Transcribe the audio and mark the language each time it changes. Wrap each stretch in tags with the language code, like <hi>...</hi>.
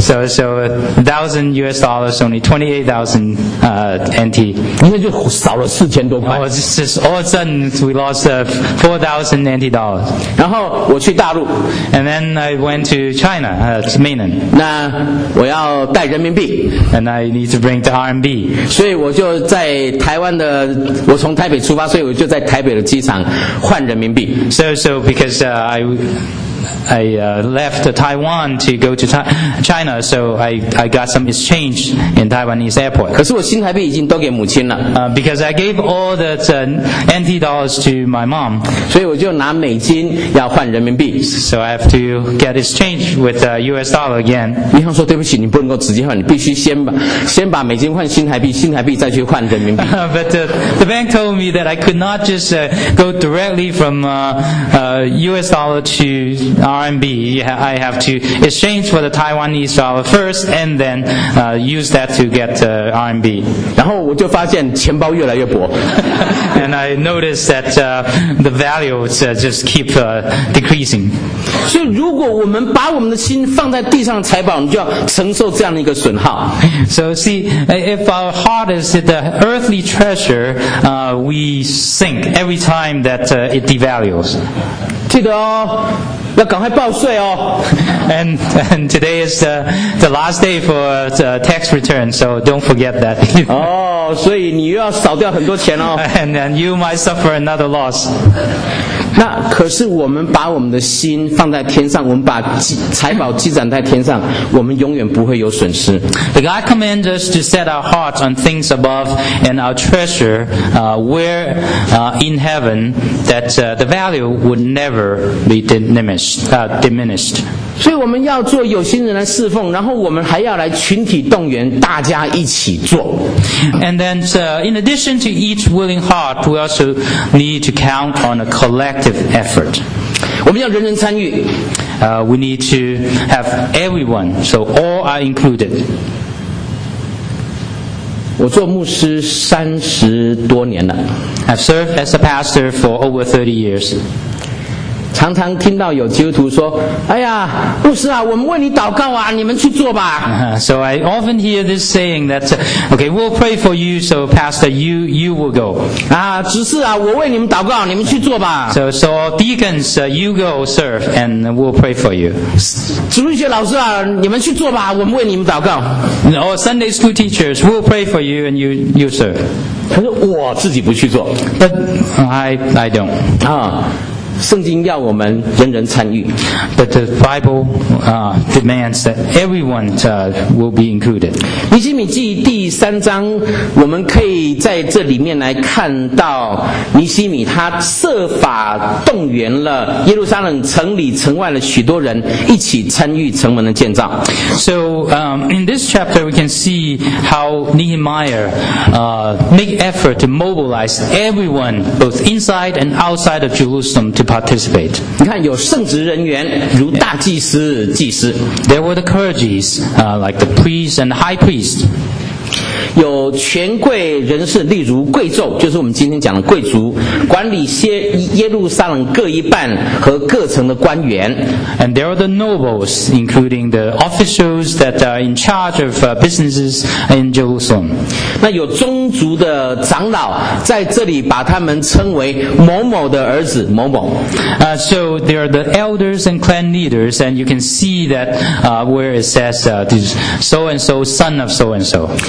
<en>So 1,000 US dollars only 28,000 NT.</en> <zh>因为就少了4000多块。</zh> <en>Oh, this is all of a sudden we lost 4,000 NT dollars.</en> <zh>然后我去大陆。</zh> <en>And then I went to China, to mainland.</en> <zh>那我要带人民币。</zh> <en>And I need to bring the RMB.</en> <zh>所以我就在台湾的，我从台北出发，所以我就在台北的机场。换人民币。</zh> <en>So because I I left Taiwan to go to China, so I got some exchange in Taiwanese airport.</en> <zh>可是我新台币已经都给母亲了。</zh> <en>Because I gave all the NT dollars to my mom.</en> <zh>所以我就拿美金要换人民币。</zh> <en>So I have to get exchange with the US dollar again.</en> <zh>银行说对不起，你不能够直接换，你必须先把美金换新台币，新台币再去换人民币。</zh> <en>But the bank told me that I could not just go directly from US dollar to RMB. I have to exchange for the Taiwanese dollar first and then use that to get RMB.</en> <zh>然后我就发现钱包越来越薄。</zh> <en>And I noticed that the value just keep decreasing.</en> <zh>所以如果我们把我们的心放在地上的财宝，你就要承受这样的一个损耗。</zh> <en>So see, if our heart is the earthly treasure, we sink every time that it devalues.</en> <zh>记得哦，要赶快报税哦。</zh> <en>And today is the last day for the tax return, so don't forget that.</en> <zh>哦，所以你又要少掉很多钱哦。</zh> <en>And you might suffer another loss.</en> <zh>那可是我们把我们的心放在天上，我们把财宝积攒在天上，我们永远不会有损失。</zh> <en>But God commands us to set our hearts on things above and our treasure where in heaven that the value would never be diminished.</en> <zh>所以我们要做有心人来侍奉，然后我们还要来群体动员，大家一起做。</zh> <en>And then in addition to each willing heart, we also need to count on a collective effort.</en> <zh>我们要人人参与。</zh> <en>We need to have everyone, so all are included.</en> <zh>我做牧师三十多年了。</zh> <en>I've served as a pastor for over 30 years.</en> <zh>常常听到有基督徒说：“哎呀，牧师啊，我们为你祷告啊，你们去做吧。”</zh> <en>So I often hear this saying that, okay, we'll pray for you, so pastor, you will go.</en> <zh>啊，执事啊，我为你们祷告，你们去做吧。</zh> <en>So deacons, you go serve, and we'll pray for you.</en> <zh>主日学老师啊，你们去做吧，我们为你们祷告。</zh> <en>Or Sunday school teachers, we'll pray for you, and you serve.</en> <zh>可是我自己不去做。</zh> <en>But I don't.</en> <zh>啊。圣经要我们人人参与。</zh> <en>But the Bible demands that everyone will be included.</en> <zh>尼希米记第三章，我们可以在这里面来看到尼希米他设法动员了耶路撒冷城里城外的许多人一起参与城门的建造。</zh> <en>So in this chapter we can see how Nehemiah make effort to mobilize everyone both inside and outside of Jerusalem to participate.</en> <zh>你看有圣职人员如大祭司祭司。</zh> <en>There were the clergies, like the priests and the high priest.</en> <zh>有权贵人士例如贵胄就是我们今天讲的贵族管理耶路撒冷各一半和各城的官员。</zh> <en>And there are the nobles, including the officials that are in charge of businesses in Jerusalem.</en> <zh>那有宗族的长老在这里把他们称为某某的儿子某某。</zh> <en>So there are the elders and clan leaders, and you can see that where it says this so-and-so, son of so-and-so.</en>